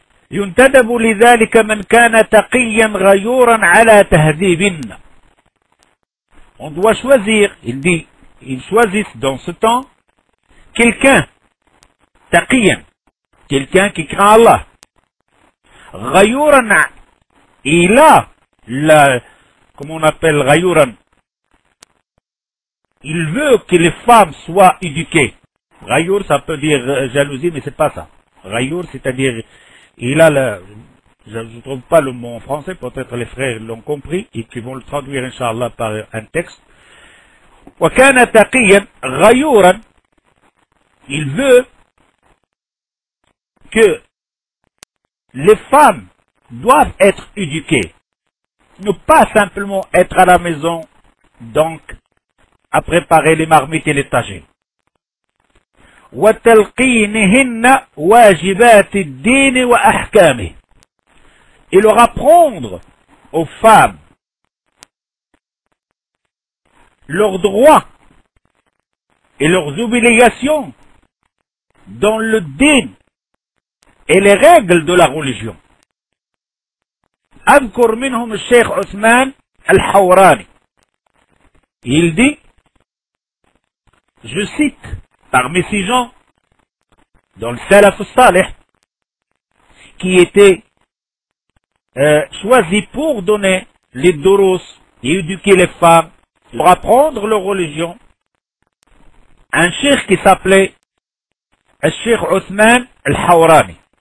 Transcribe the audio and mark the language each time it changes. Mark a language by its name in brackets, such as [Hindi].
[Arabic] ينتدب لذلك من كان تقيا غيورا على تهذيب. [French] On doit choisir, il dit, ils choisissent dans ce temps, quelqu'un, تقيا, quelqu'un qui craint Allah. غيورا, il a, la, comment on appelle غيورا, il veut que les femmes soient éduquées. غيور, ça peut dire jalousie, mais c'est pas ça. غيور, c'est-à-dire, il a le, je ne trouve pas le mot en français, peut-être les frères l'ont compris, et qui vont le traduire, inshallah, par un texte. [Arabic] Wa kana taqiyan ghayuran. [French] Il veut que les femmes doivent être éduquées. Ne pas simplement être à la maison, donc, à préparer les marmites et les tagines. [Arabic] وتلقينهن واجبات الدين وأحكامه. [French] Et leur apprendre aux femmes leurs droits et leurs obligations dans le din et les règles de la religion. [Arabic] أذكر منهم الشيخ عثمان الحوراني. [French] Il dit, je cite, parmi ces gens, dans le Salaf Saleh, qui était choisi pour donner les durus et éduquer les femmes, pour apprendre leur religion, un cheikh qui s'appelait Cheikh Othman al-Hawrani.